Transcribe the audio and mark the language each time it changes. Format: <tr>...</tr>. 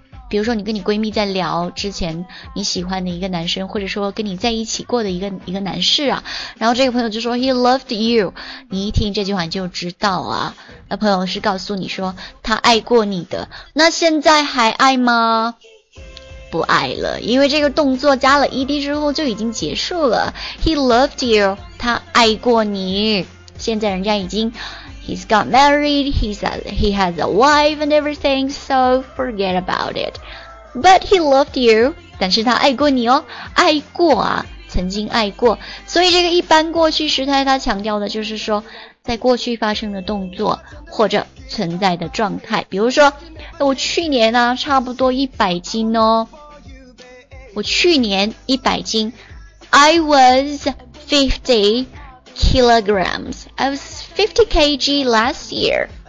<zh>比如说你跟你闺蜜在聊之前你喜欢的一个男生，或者说跟你在一起过的一个男士啊，然后这个朋友就说</zh> <en>He loved you，</en> <zh>你一听这句话你就知道啊，那朋友是告诉你说他爱过你的。那现在还爱吗？不爱了，因为这个动作加了 ed 之后就已经结束了。</zh> <en>He loved you，</en> <zh>他爱过你。现在人家已经</zh> <en>He's got married， he has a wife and everything， so forget about it， but he loved you，</en> <zh>但是他爱过你哦。爱过啊，曾经爱过。所以这个一般过去时态，他强调的就是说在过去发生的动作或者存在的状态。比如说我去年呢、差不多100斤哦，我去年100斤。</zh> <en>I was 50 kilograms， I was 50 kg last year。</en>